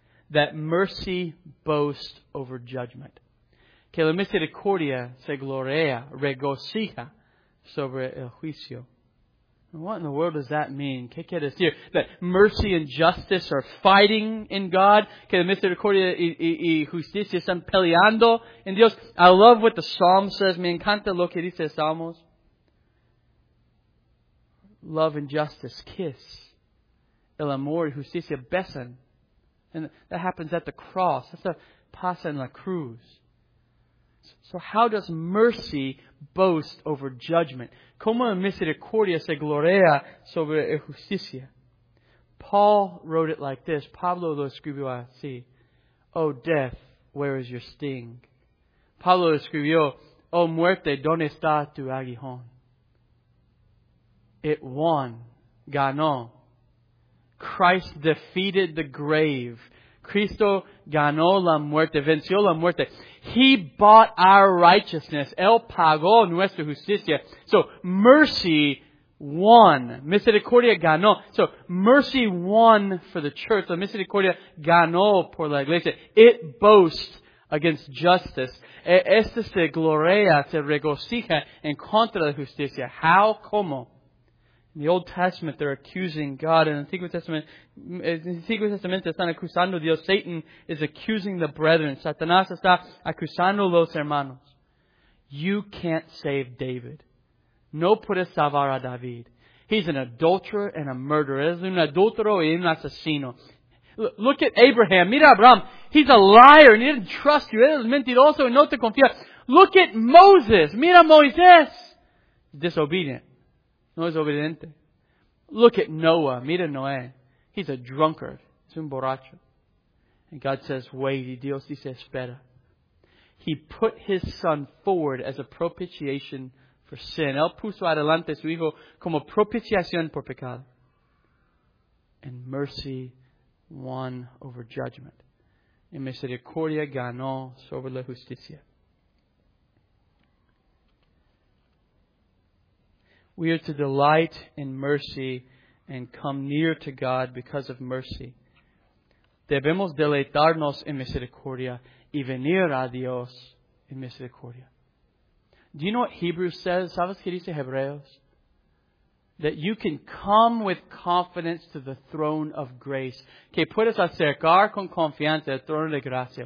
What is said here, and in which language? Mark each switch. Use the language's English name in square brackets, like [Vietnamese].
[English] That mercy boasts over judgment. [Spanish] Que la misericordia se gloria, regocija sobre el juicio. [English] What in the world does that mean? [Spanish] ¿Qué quiere decir? [English] That mercy and justice are fighting in God? [Spanish] Que la misericordia y justicia están peleando en Dios? [English] I love what the Psalm says. [Spanish] Me encanta lo que dice el Salmos. [English] Love and justice kiss. [Spanish] El amor y justicia besan. [English] And that happens at the cross. That's a [Spanish] pasa en la cruz. [English] So how does mercy boast over judgment? [Spanish] ¿Cómo la misericordia se gloria sobre la justicia? [English] Paul wrote it like this. [Spanish] Pablo lo escribió así. [English] Oh, death, where is your sting? [Spanish] Pablo escribió, oh, muerte, ¿dónde está tu aguijón? [English] It won. Ganó. Christ defeated the grave. [Spanish] Cristo ganó la muerte, venció la muerte. [English] He bought our righteousness. [Spanish] Él pagó nuestra justicia. [English] So, mercy won. [Spanish] Misericordia ganó. [English] So, mercy won for the church. [Spanish] La misericordia ganó por la iglesia. [English] It boasts against justice. [Spanish] Esta se gloria, se regocija en contra de la justicia. How? ¿Cómo? [English] In the Old Testament, they're accusing God. [Spanish] In the Antiguo Testamento, están acusando a Dios. [English] Satan is accusing the brethren. [Spanish] Satanás está acusando a los hermanos. [English] You can't save David. [Spanish] No puedes salvar a David. [English] He's an adulterer and a murderer. [Spanish] Es un adultero y un asesino. [English] Look at Abraham. [Spanish] Mira a Abraham. [English] He's a liar and he didn't trust you. [Spanish] Es mentiroso y no te confía. [English] Look at Moses. [Spanish] Mira a Moisés. Disobedient. No es obediente. [English] Look at Noah. [Spanish] Mira Noé. [English] He's a drunkard. [Spanish] Es un borracho. [English] And God says, wait. [Spanish] Y Dios dice, espera. [English] He put his son forward as a propitiation for sin. [Spanish] Él puso adelante su hijo como propiciación por pecado. [English] And mercy won over judgment. [Spanish] Y misericordia ganó sobre la justicia. [English] We are to delight in mercy and come near to God because of mercy. [Spanish] Debemos deleitarnos en misericordia y venir a Dios en misericordia. [English] Do you know what Hebrews says? [Spanish] ¿Sabes qué dice Hebreos? [English] That you can come with confidence to the throne of grace. [Spanish] Que puedes acercar con confianza al trono de gracia.